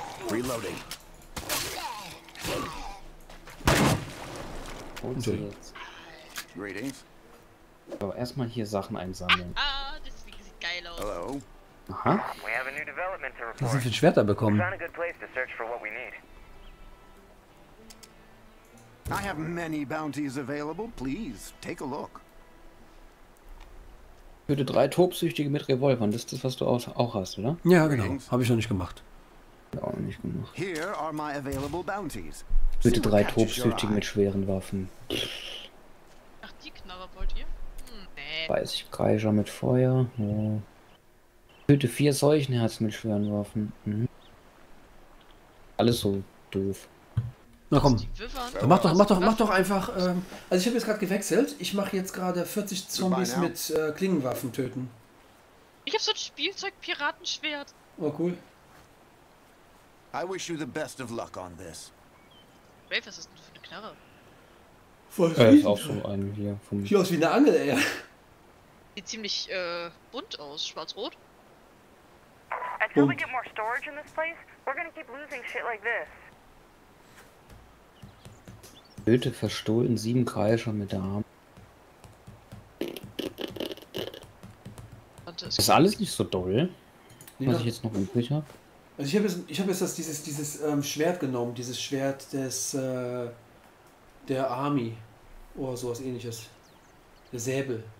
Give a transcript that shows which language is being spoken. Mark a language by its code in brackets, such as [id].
[en] Reloading. [de] Und jetzt. [en] Greetings. [de] So, erstmal hier Sachen einsammeln. Ah, das sieht geil aus. [en] Hello. Aha. We have a new development to report. [de] Was sind für ein Schwert da bekommen? [en] Found a good place to search for what we need. I have many bounties available. Please take a look. [de] Für die drei Tobsüchtige mit Revolvern, das ist das, was du auch hast, oder? Ja, genau. Habe ich noch nicht gemacht. [en] Here are my available bounties. [de] Für die drei Tobsüchtigen mit schweren Waffen. Ach, die Knarre wollt ihr? Nee. Weiß ich, Kreischer mit Feuer. Ja. Für die vier Seuchenherzen mit schweren Waffen. Mhm. Alles so doof. Na komm, dann mach doch einfach, also ich habe jetzt gerade gewechselt, ich mache jetzt gerade 40 Zombies mit Klingenwaffen töten. Ich habe so ein Spielzeug-Piratenschwert. Oh cool. [en] I wish you the best of luck on this. [de] Rafe, was ist denn für eine Knarre? Voll süß. Ist auch so ein hier. Sieht aus wie eine Angel, ey. Sieht ziemlich bunt aus, schwarz-rot. [en] Until we get more storage in this place, we're gonna keep losing shit like this. [de] Töte verstohlen 7 Kreischer mit der Arm. Ist alles nicht so doll. Nee, was ich jetzt noch übrig habe? Also ich hab jetzt das, dieses Schwert genommen, dieses Schwert des der Army oder sowas ähnliches. Der Säbel.